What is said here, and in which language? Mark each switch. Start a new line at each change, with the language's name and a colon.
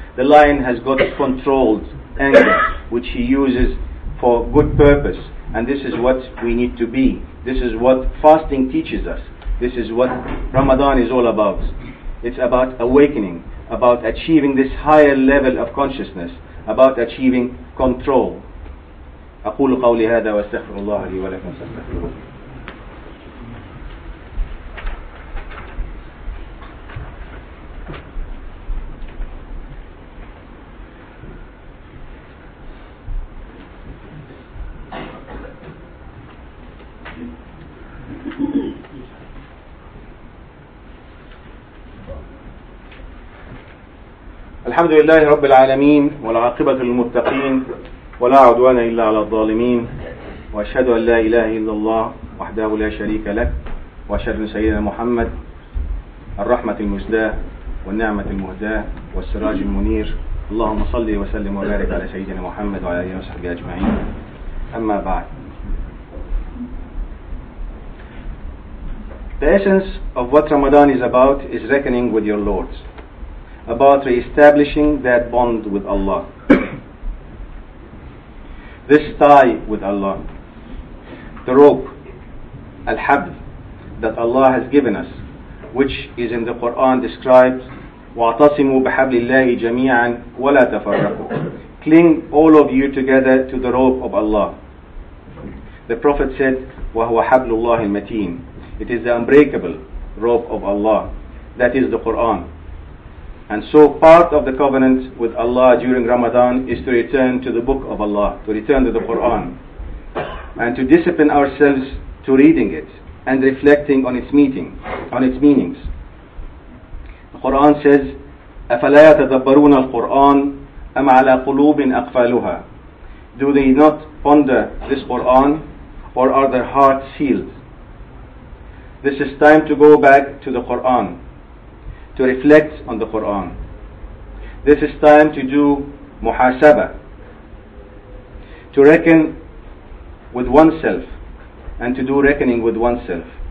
English: The lion has got controlled anger, which he uses for good purpose. And this is what we need to be. This is what fasting teaches us. This is what Ramadan is all about. It's about awakening, about achieving this higher level of consciousness, about achieving control.
Arabic: أقول قولي هذا واستغفر الله لي ولكم استغفر الحمد لله رب العالمين والعاقبة للمتقين ولا عدوان إلا على الظالمين وأشهد أن لا إله إلا الله وحده لا شريك له وأشهد أن سيدنا محمد الرحمة المسداة والنعمة المهداة والسراج المنير اللهم صل وسلم وبارك على سيدنا محمد وعلى آله وصحبه أجمعين أما بعد.
English: The essence of what Ramadan is about is reckoning with your Lord, about re-establishing that bond with Allah, this tie with Allah, the rope, al-habl, that Allah has given us, which is in the Quran described,
Arabic: وَاعْتَصِمُوا بِحَبْلِ اللَّهِ جَمِيعًا وَلَا تَفَرَّقُوا.
English: Cling all of you together to the rope of Allah. The Prophet said,
Arabic: وَهُوَ حَبْلُ اللَّهِ الْمَتِينِ.
English: It is the unbreakable rope of Allah. That is the Quran. And so part of the covenant with Allah during Ramadan is to return to the book of Allah, to return to the Quran, and to discipline ourselves to reading it and reflecting on its meaning, on its meanings. The Quran says,
Arabic: أَفَلَا يَتَدَبَّرُونَ الْقُرْآنَ أَمْ عَلَى قُلُوبٍ أَقْفَالُهَا.
English: Do they not ponder this Quran, or are their hearts sealed? This is time to go back to the Quran, to reflect on the Quran. This is time to do muhasaba, to reckon with oneself and to do reckoning with oneself.